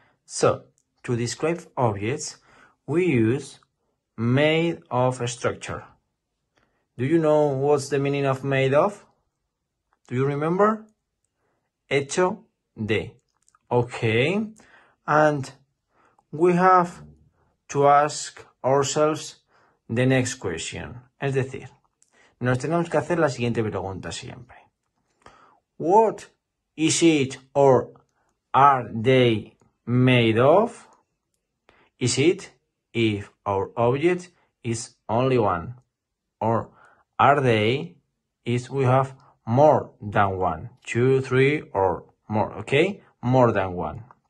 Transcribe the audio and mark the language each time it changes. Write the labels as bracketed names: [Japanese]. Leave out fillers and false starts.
[English] So, to describe objects, we use made of a structure. Do you know what's the meaning of made of? Do you remember? [Spanish] Hecho de. [English] Okay. And we have to ask ourselves the next question. [Spanish] Es decir, nos tenemos que hacer la siguiente pregunta siempre. [English] What is it or are they made of? Is it if our object is only one, or are they is we have more than one, two, three, or more, okay? More than one.